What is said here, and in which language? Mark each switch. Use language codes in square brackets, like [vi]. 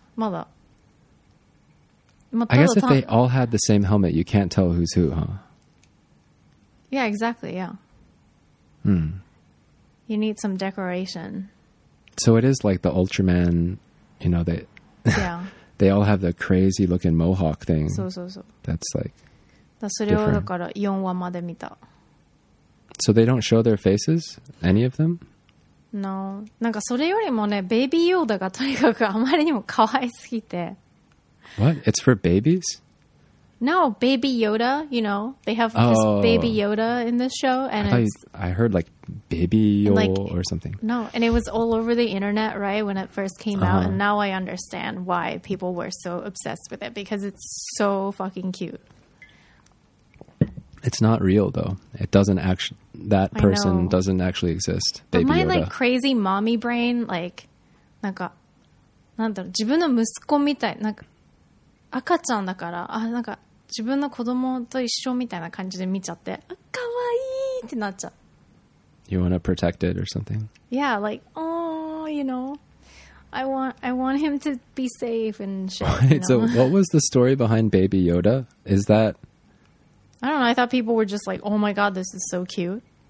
[en] I guess if they all had the same helmet, you can't tell who's who, huh? Yeah, exactly, yeah. Hmm. You need some decoration. So it is like the Ultraman, you know, they... Yeah. They all have the crazy-looking mohawk thing. So. That's like... [ja] それをだから4話まで見た. [en] So they don't show their faces? Any of them? No. [ja] なんかそれよりもね, Baby Yoda がとにかくあまりにも可愛すぎて. [en] What? It's for babies? No, Baby Yoda, you know. They have this Baby Yoda in this show. And I heard like Baby Yoda like, or something. No, and it was all over the internet, right, when it first came out. And now I understand why people were so obsessed with it. Because it's so fucking cute. It's not real, though. It doesn't actually... That person doesn't actually exist. But Baby my, Yoda. Like, crazy mommy brain, like... [ja] なんか、なんだろう、自分の息子みたい、なんか... 赤ちゃんだから、あ、なんか自分の子供と一緒みたいな感じで見ちゃって、可愛いってなっちゃう。 [en] You want to protect it or something? Yeah, like, oh, you know, I want him to be safe and shit. Wait, you know? So what was the story behind Baby Yoda? Is that... I don't know. I thought people were just like, oh my God, this is so cute.